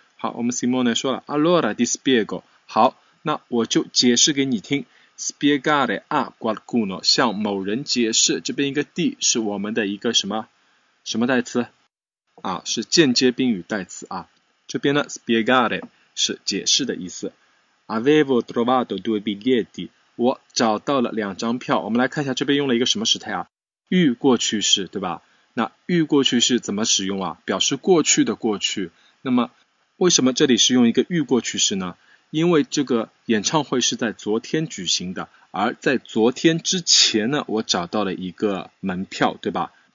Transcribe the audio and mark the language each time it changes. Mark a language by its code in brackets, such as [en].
[zh] 好，我们 Simone 说了 [it] Allora ti spiego， [zh] 好，那我就解释给你听。 [it] Spiegare a qualcuno， [zh] 向某人解释，这边一个 di 是我们的一个什么什么代词啊，是间接宾语代词啊。这边呢 Spiegare 是解释的意思。 [it] Avevo trovato due biglietti， [zh] 我找到了两张票。我们来看一下这边用了一个什么时态啊，预过去式，对吧？那预过去式怎么使用啊？表示过去的过去。那么为什么这里是用一个预过去式呢？因为这个演唱会是在昨天举行的，而在昨天之前呢，我找到了一个门票，对吧？